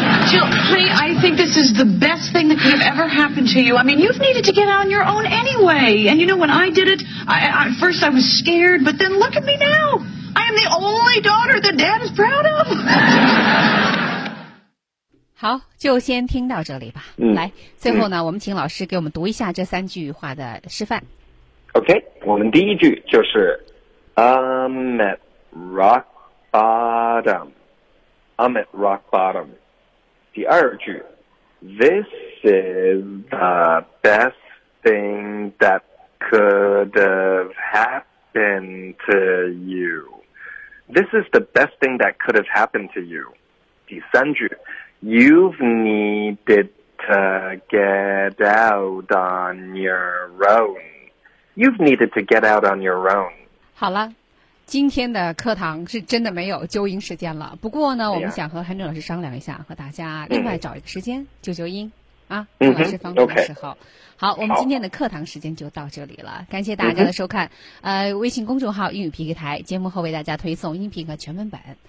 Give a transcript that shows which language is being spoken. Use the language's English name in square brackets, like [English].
[English] Jill, honey, I think this is the best thing that could have ever happened to you. I mean, you've needed to get on your own anyway. And you know, when I did it, at first I was scared, but then look at me now. I am the only daughter that Dad is proud of. [Chinese] 好，就先听到这里吧。来，最后呢，我们请老师给我们读一下这三句话的示范。 [English] OK，我们第一句就是 I'm at rock bottom. I'm at rock bottom. 第二句 This is the best thing that could have happened to you. This is the best thing that could have happened to you. 第三句 You've needed to get out on your own. You've needed to get out on your own. [Chinese] 好了。今天的课堂是真的没有纠音时间了，不过呢我们想和韩正老师商量一下，和大家另外找一个时间纠纠音啊，嗯，老师方便的时候。 [English] Okay. [Chinese] 好，我们今天的课堂时间就到这里了，感谢大家的收看。微信公众号英语皮克台节目后为大家推送音频和全文本。